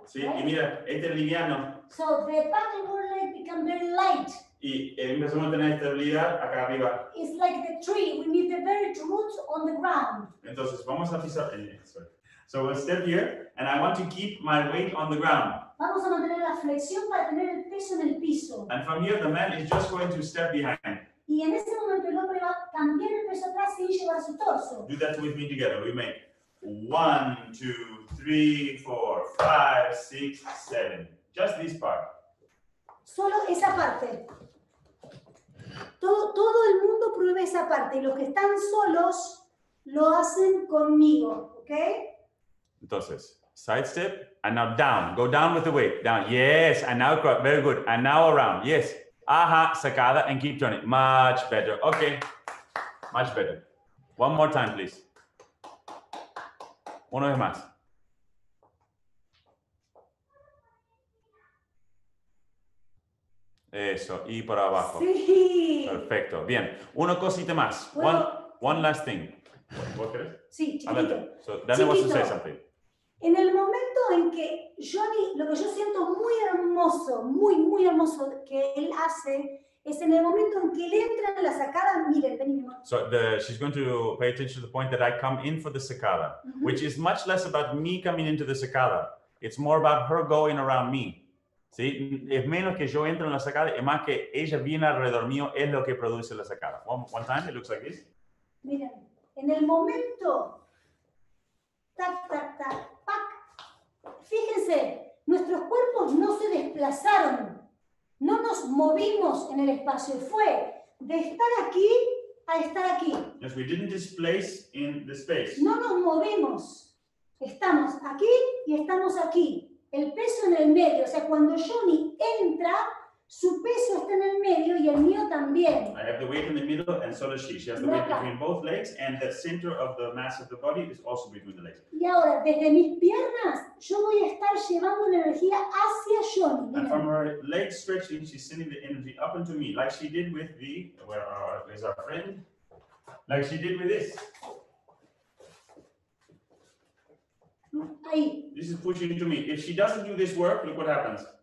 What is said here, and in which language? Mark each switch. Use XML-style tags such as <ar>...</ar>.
<es>Sí, right? Y mira, este es liviano.</es> <en>So the back of your leg becomes very light.</en> <es>Y empezamos a tener estabilidad acá arriba.</es> <en>It's like the tree. We need the very roots on the ground.</en> <es>Entonces, vamos a pisar.</es> <en>So we'll step here, and I want to keep my weight on the ground.</en> <es>Vamos a mantener la flexión para tener el peso en el piso.</es> <en>And from here, the man is just going to step behind.</en> <es>Y en ese momento el hombre va a cambiar el peso atrás y llevar su torso.</es> <en>Do that with me together. We make 1, 2, 3, 4, 5, 6, 7. Just this part.</en> <es>Solo esa parte. Todo el mundo pruebe esa parte. Y los que están solos lo hacen conmigo, ¿ok?</es> <en>Entonces, side step, and now down, go down with the weight, down, yes, and now across, very good, and now around, yes, aha, sacada, and keep turning, much better, okay, much better. One more time, please.</en> <es>Una vez más. Eso, y por abajo. Sí. Perfecto. Bien. Una cosita más.</es> <en>One last thing.</en> <es>¿Vos querés? Sí, chiquito. Adelante. So, Dani, ¿vas a decir algo? En el momento en que Johnny, lo que yo siento muy hermoso, muy, muy hermoso que él hace, es en el momento en que él entra en la sacada, miren, vení, mi amor.</es> <en>So, she's going to pay attention to the point that I come in for the sacada, which is much less about me coming into the sacada. It's more about her going around me. ¿Sí?</en> <es>Es menos que yo entre en la sacada, es más que ella viene alrededor mío, es lo que produce la sacada.</es> <en>One time, it looks like this.</en> <es>Miren, en el momento... Tac, tac, tac, pac. Fíjense, nuestros cuerpos no se desplazaron, no nos movimos en el espacio, fue de estar aquí a estar aquí.</es> <en>Yes, we didn't displace in the space.</en> <es>No nos movemos, estamos aquí y estamos aquí. El peso en el medio, o sea, cuando Johnny entra, su peso está en el medio y el mío también.</es> <en>I have the weight in the middle and so does she. She has the weight between both legs and the center of the mass of the body is also between the legs.</en> <es>Y ahora, desde mis piernas, yo voy a estar llevando la energía hacia Johnny.</es> <en>And from her legs stretching, she's sending the energy up into me, like she did with the, where is our friend? Like she did with this.</en> <es>Ahí.</es> <en>This is pushing into me. If she doesn't do this work, look what happens.</en>